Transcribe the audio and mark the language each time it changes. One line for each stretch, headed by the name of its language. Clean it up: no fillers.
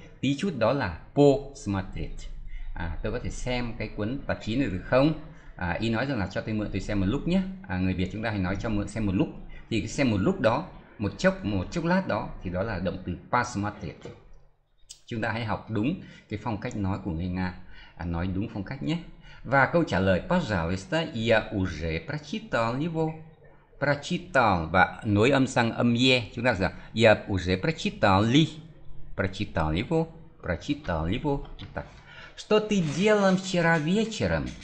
Vietnamese: Tí chút đó là passmative. Tôi có thể xem cái cuốn tạp chí này được không? Ý nói rằng là cho tôi mượn tôi xem một lúc nhé. Người Việt chúng ta hay nói cho mượn xem một lúc. Thì xem một lúc đó, một chốc lát đó, thì đó là động từ passmative. Chúng ta hãy học đúng cái phong cách nói của người Nga, nói đúng phong cách nhé. Và câu trả lời
Russian: пожалуйста, я уже прочитал его.
Vietnamese: Прочитал và nối âm sang âm е, chúng ta sẽ
Russian: я уже прочитал ли. Прочитал его. Прочитал его. Так. Что ты делал вчера вечером?